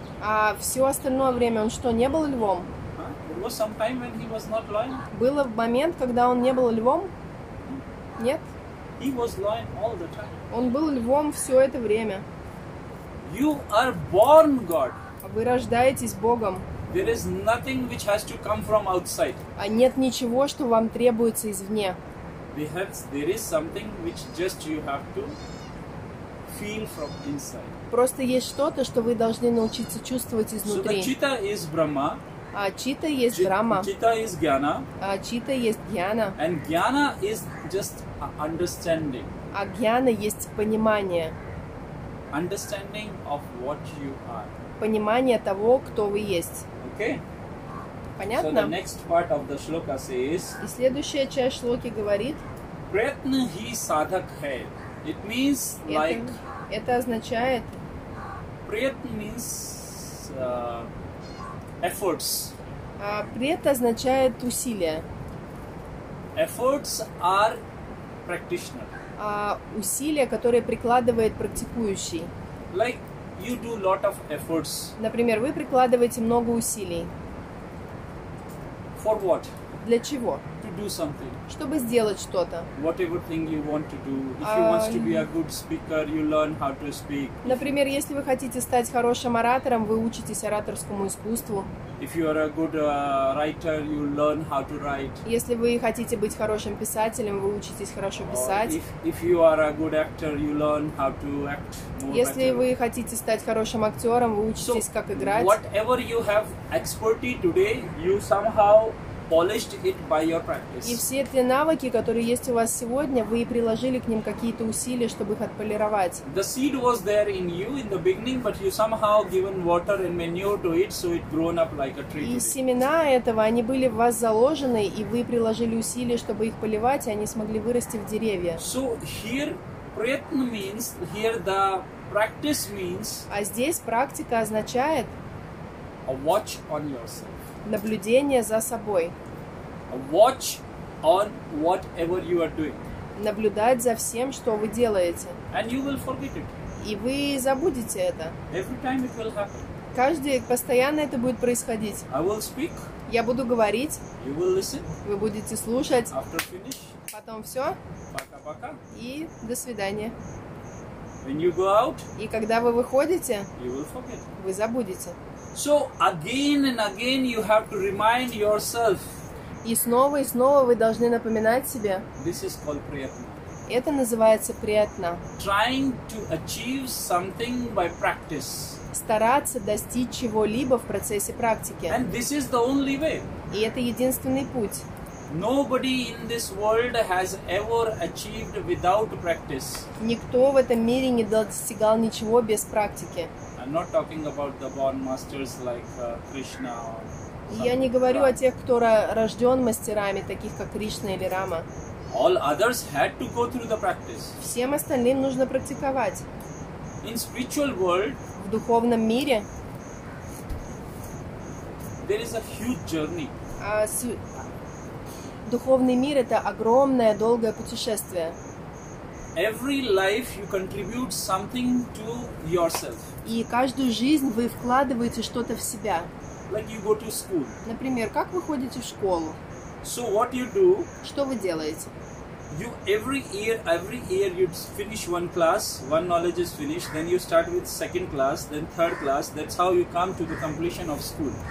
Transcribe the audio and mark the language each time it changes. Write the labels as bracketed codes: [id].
[ru] А все остальное время он что, не был львом? [en] There was some time when he was not lion? [ru] Было в момент, когда он не был львом? Нет? [en] He was lion all the time. [ru] Он был львом все это время. [en] You are born God. [ru] Вы рождаетесь Богом. [en] There is nothing which has to come from outside. [ru] А нет ничего, что вам требуется извне. [en] There is something which just you have to feel from inside. [ru] Просто есть что-то, что вы должны научиться чувствовать изнутри. [en] So the chitta is Brahma. [ru] А чита есть Брахма. [en] Chitta is Jnana. [ru] А чита есть Jnana. [en] And Jnana is just understanding. [ru] А Jnana есть понимание. [en] Understanding of what you are. [ru] Понимание того, кто вы есть. [en] Okay. [ru] Понятно? [en] So the next part of the shloka says. [ru] И следующая часть шлоки говорит. [sa] Pratna hi sadhak hai. [en] It means like. [ru] Это означает. [en] Pratna means efforts. [ru] А прет означает усилия. [en] Efforts are practitioner. [ru] А усилия, которые прикладывает практикующий. [en] Like you do lot of efforts. [ru] Например, вы прикладываете много усилий. [en] For what? [ru] Для чего? [en] To do something. [ru] Чтобы сделать что-то. [en] Whatever thing you want to do. If you want to be a good speaker, you learn how to speak. [ru] Например, если вы хотите стать хорошим оратором, вы учитесь ораторскому искусству. [en] If you are a good writer, you learn how to write. [ru] Если вы хотите быть хорошим писателем, вы учитесь хорошо писать. [en] If you are a good actor, you learn how to act more. [ru] Если вы хотите стать хорошим актером, вы учитесь, как играть. [en] Whatever you have expertise today, you somehow polished it by your practice. [ru] И все эти навыки, которые есть у вас сегодня, вы приложили к ним какие-то усилия, чтобы их отполировать. [en] The seed was there in you in the beginning, but you somehow given water and manure to it, so it grown up like a tree. [ru] И семена этого, они были в вас заложены, и вы приложили усилия, чтобы их поливать, и они смогли вырасти в деревья. [en] So here pratna means, here the practice means. [ru] А здесь практика означает [en] a watch on yourself. [ru] Наблюдение за собой. [en] Watch on whatever you are doing. [ru] Наблюдать за всем, что вы делаете. [en] And you will forget it. [ru] И вы забудете это. [en] Every time it will happen. [ru] Каждый постоянно это будет происходить. [en] I will speak. [ru] Я буду говорить. [en] You will listen. [ru] Вы будете слушать. [en] After finish. [ru] Потом все. Пока-пока. И до свидания. [en] When you go out. [ru] И когда вы выходите. [en] You will forget. [ru] Вы забудете. [en] So again and again you have to remind yourself. [ru] И снова вы должны напоминать себе. [en] This is called prayatna. [ru] Это называется prayatna. [en] Trying to achieve something by practice. [ru] Стараться достичь чего-либо в процессе практики. [en] And this is the only way. [ru] И это единственный путь. [en] Nobody in this world has ever achieved without practice. [ru] Никто в этом мире не достигал ничего без практики. [en] I'm not talking about the born masters like Krishna. [ru] Я не говорю о тех, кто рожден мастерами, таких как Кришна или Рама. [en] All others had to go through the practice. [ru] Всем остальным нужно практиковать. [en] In spiritual world, [ru] в духовном мире, [en] there is a huge journey. [ru] Духовный мир — это огромное долгое путешествие. [en] Every life you contribute something to yourself. [ru] И каждую жизнь вы вкладываете что-то в себя. [en] Like you go to school. [ru] Например, как вы ходите в школу? [en] So what you do? [ru] Что вы делаете? [en] you every year you finish one class, one knowledge is finished, then you start with second class, then third class. That's how you come to the completion of school.